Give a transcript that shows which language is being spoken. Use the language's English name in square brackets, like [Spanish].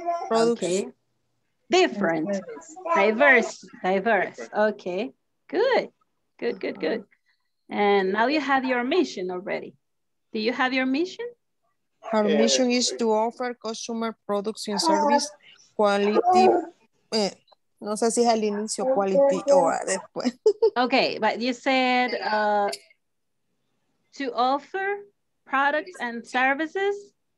[English] Okay. Different. Diverse. Okay. Good. And now you have your mission already. Do you have your mission? Our mission is to offer customer products and service quality. [Spanish] No sé si es al inicio, quality o después. [English] Okay, but you said to offer products and services.